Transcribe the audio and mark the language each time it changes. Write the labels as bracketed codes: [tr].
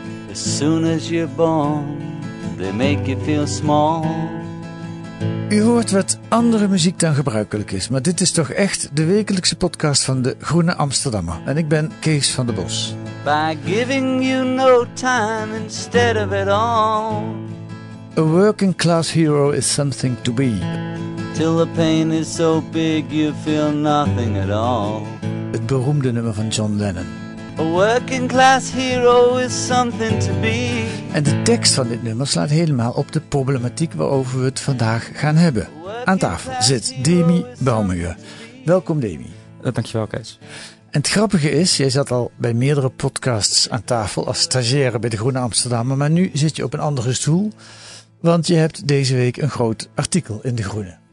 [en] As soon as you're born, they make you feel small. [nl] U hoort wat andere muziek dan gebruikelijk is, maar dit is toch echt de wekelijkse podcast van de Groene Amsterdammer. En ik ben Kees van den Bos. [en] By giving you no time instead of it all. A working class hero is something to be. Till the pain is so big you feel nothing at all. [nl] Het beroemde nummer van John Lennon. [en] A working class hero is something to be. [nl] En de tekst van dit nummer slaat helemaal op de problematiek waarover we het vandaag gaan hebben. Aan tafel zit Demi Baumhuur. Welkom Demi. Dankjewel Kees. En het grappige is, jij zat al bij meerdere podcasts aan tafel als stagiaire bij de Groene Amsterdammer, maar nu zit je op een andere stoel, want je hebt deze week een groot artikel in de Groene.